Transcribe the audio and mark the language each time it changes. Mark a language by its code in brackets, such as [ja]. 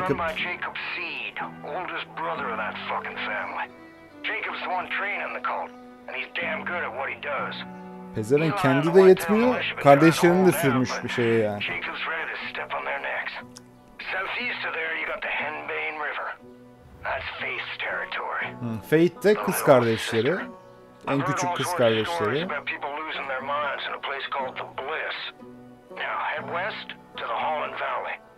[en] Jacob Seed, oldest brother of that fucking family. Jacob's the one training the cult and he's damn good at what he does. [tr] Pezeren kendi de yetmiyor, kardeşlerini de sürmüş bir şeye yani. [en] Jacob's ready to step on their necks. Southeast of there you got the Henbane River. That's Faith's territory. [tr] Faith de kız kardeşleri. En küçük kız kardeşleri. [en] Now head west to the Holland Valley.